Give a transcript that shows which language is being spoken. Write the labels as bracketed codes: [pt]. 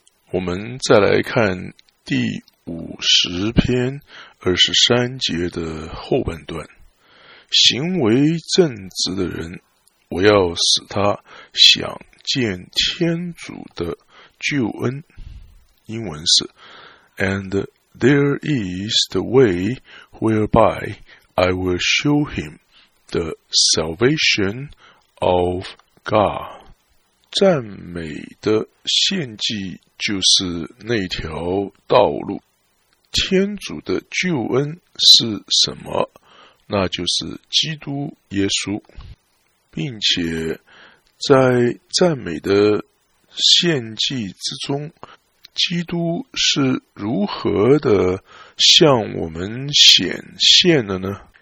[zh] 我们再来看第50篇23节的后半段，行为正直的人，我要使他想见天主的救恩。英文是 [en] And there is the way whereby I will show him the salvation of God. [zh] 赞美的献祭就是那条道路。天主的救恩是什么？那就是基督耶稣，并且在赞美的献祭之中，基督是如何的向我们显现的呢？